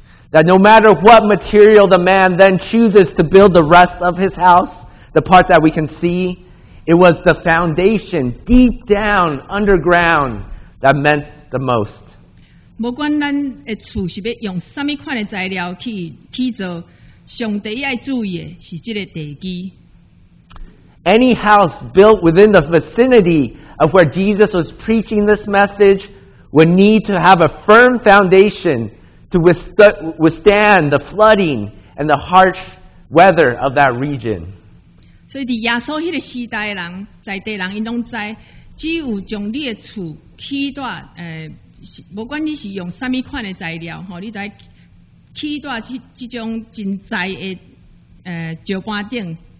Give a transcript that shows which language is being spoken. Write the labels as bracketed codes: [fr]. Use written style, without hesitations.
[en] That no matter what material the man then chooses to build the rest of his house, the part that we can see, it was the foundation deep down underground that meant the most. [nan] 无管咱的厝是要用什么款的材料去起造，上第一要注意的是这个地基。 [en] Any house built within the vicinity of where Jesus was preaching this message would need to have a firm foundation to withstand the flooding and the harsh weather of that region. So, in the Jesus that era, the people, they all know that only to build your house, no matter if you use what kind of material, you need to build on this kind of stone foundation.